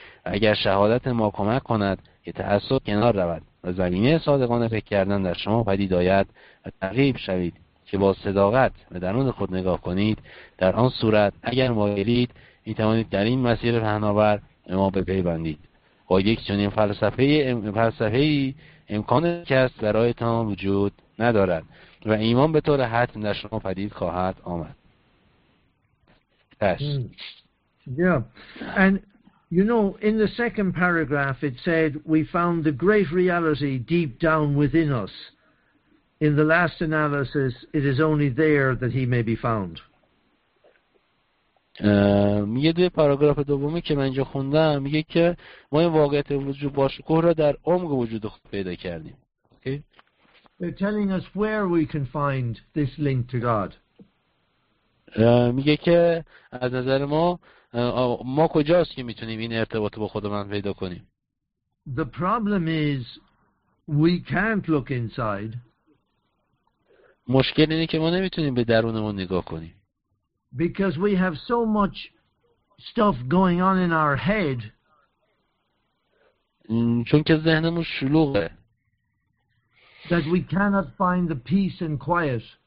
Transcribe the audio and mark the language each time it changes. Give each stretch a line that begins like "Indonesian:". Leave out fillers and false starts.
Persian: اگر شهادت ما کمک کند که تعصب کنار رود و زمینه صادقانه فکر کردن در شما پدید آید و تغییر شوید که با صداقت به درون خود نگاه کنید، در آن صورت اگر مایلید می توانید در این مسیر پهناور ما بپیوندید. با یک چنین فلسفه‌ای امکان کسب برایتان وجود ندارد و ایمان به طور حتم در شما پدید خواهد آمد. پس
English: And you know, in the second paragraph it said we found the great reality deep down within us. In the last analysis it is only there that he may be found.
Persian: یه دوی پاراگراف دومی که من اینجا خوندم میگه که ما این واقعیت وجود باشکوه را در عمق وجود خود پیدا کردیم.
English: They're telling us where we can find this link to God.
Persian: میگه که از نظر ما ما کجاست که میتونیم این ارتباط با خودمان پیدا کنیم.
English: The problem is we can't look inside.
Persian: مشکل اینه که ما نمیتونیم به درونمون نگاه کنیم.
English: Because we have so much stuff going on in our head.
Persian: چون که ذهنمون شلوغه.
English: That we cannot find the peace and quiet.